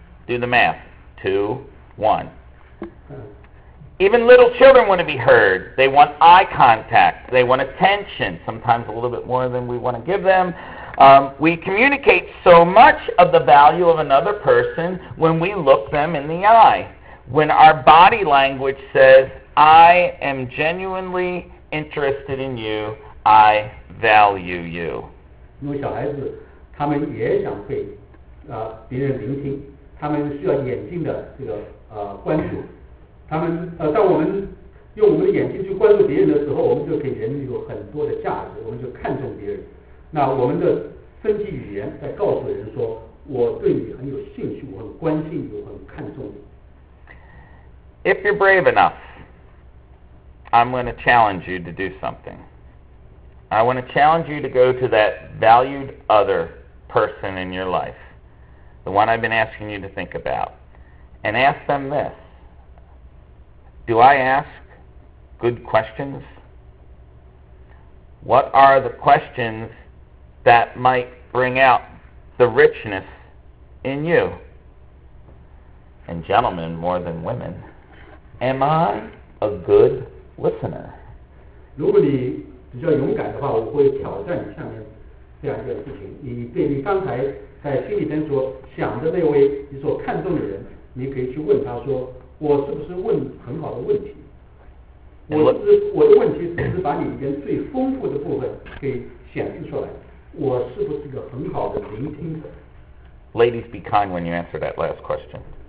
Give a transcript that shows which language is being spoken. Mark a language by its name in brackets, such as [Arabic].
[English] Do the math 2, 1Even little children want to be heard. They want eye contact. They want attention, sometimes a little bit more than we want to give them. We communicate so much of the value of another person when we look them in the eye. When our body language says, I am genuinely interested in you, I value you. Because children, they also want to be listened to. They need attention to eyes. [Chinese] 他们当我们用我们的眼睛去关注别人的时候，我们就给人有很多的价值，我们就看重别人。那我们的身体语言在告诉人说，我对你很有兴趣，我很关心你，我很看重你。 [English] If you're brave enough, I'm going to challenge you to do something. I want to challenge you to go to that valued other person in your life, the one I've been asking you to think about, and ask them this. Do I ask good questions? What are the questions that might bring out the richness in you? And gentlemen, more than women, am I a good listener? [Chinese] 如果你比较勇敢的话，我会挑战你下面这样一个事情。你对你刚才在心里边所想的那位你所看中的人，你可以去问他说。我是不是问很好的问题？我的问题是不是把你里边最丰富的部分给显示出来？我是不是一个很好的聆听者 [English] ？Ladies, be kind when you answer that last question.